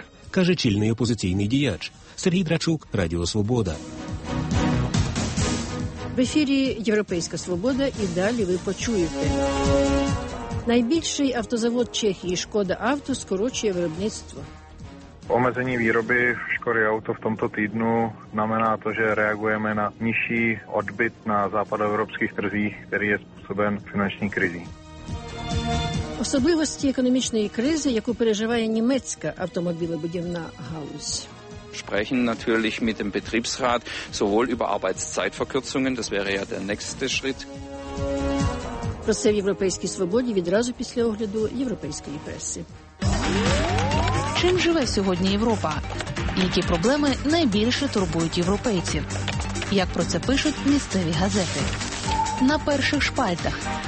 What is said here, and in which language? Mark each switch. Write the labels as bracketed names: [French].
[Ukrainian] Каже чільний опозиційний діяч. Сергій Драчук, Радіо Свобода. В ефірі «Європейська свобода» і далі ви почуєте. Найбільший автозавод Чехії «Шкода Авто» скорочує виробництво. [Czech] Omezení výroby Škody Auto v tomto týdnu znamená to, že reagujeme na nižší odbyt na západoevropských trzích, který je způsoben finanční krizí. [Ukrainian] Особливості економічної кризи, яку переживає німецька автомобілебудівна галузь. [German] Sprechen natürlich mit dem Betriebsrat sowohl über Arbeitszeitverkürzungen, das wäre ja der nächste Schritt. [Ukrainian] Про це в Європейській Свободі відразу після огляду європейської преси. Чим живе сьогодні Європа? Які проблеми найбільше турбують європейців? Як про це пишуть місцеві газети? На перших шпальтах.